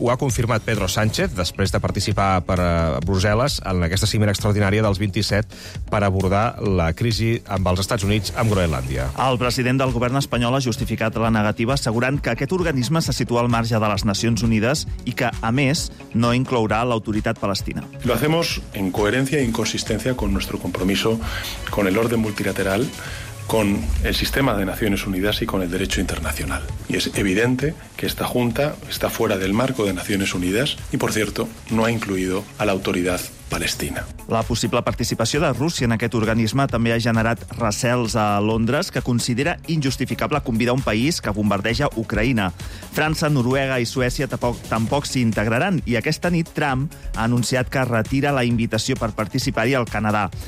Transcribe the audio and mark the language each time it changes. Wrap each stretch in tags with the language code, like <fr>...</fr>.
<ca>Ho ha confirmat Pedro Sánchez després de participar per Brussel·les en aquesta cimera extraordinària dels 27 per abordar la crisi amb els Estats Units amb Groenlàndia. El president del govern espanyol ha justificat la negativa assegurant que aquest organisme se situa al marge de les Nacions Unides i que, a més, no inclourà l'autoritat palestina.</ca> <es>Lo hacemos en coherencia e inconsistencia con nuestro compromiso con el orden multilateral, con el sistema de Naciones Unidas y con el derecho internacional. Y es evidente que esta junta está fuera del marco de Naciones Unidas y, por cierto, no ha incluido a la autoridad palestina.</es> <ca>La possible participació de Rússia en aquest organisme també ha generat recels a Londres, que considera injustificable convidar un país que bombardeja Ucraïna. França, Noruega i Suècia tampoc s'hi integraran, i aquesta nit Trump ha anunciat que retira la invitació per participar-hi al Canadà.</ca>